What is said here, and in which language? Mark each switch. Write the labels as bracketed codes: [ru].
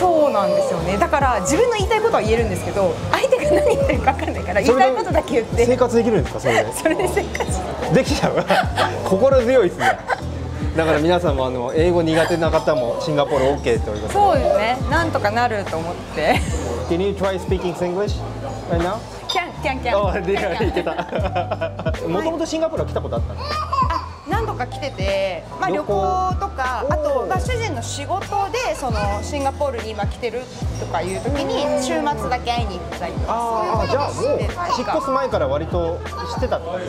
[ja] そうなんですよね、だから自分の言いたいことは言えるんですけど、相手が何言ってるか分かんないから言いたいことだけ言って。生活できるんですか、それで。それで生活できちゃう。心強いですね。だから皆さんもあの英語苦手な方もシンガポール OK ってことで。そうですね、なんとかなると思って。 [en] Can you try speaking English right now? Can, can, can. Oh, can, can. [ja] いけた。もともとシンガポールは来たことあったの。あ、何度か来てて、まあ、旅行とか、あと、まあ、主人の仕事でそのシンガポールに今来てるとかいう時に週末だけ会いに行ったりとか。あ、じゃあもう引っ越す前から割と知ってたってこと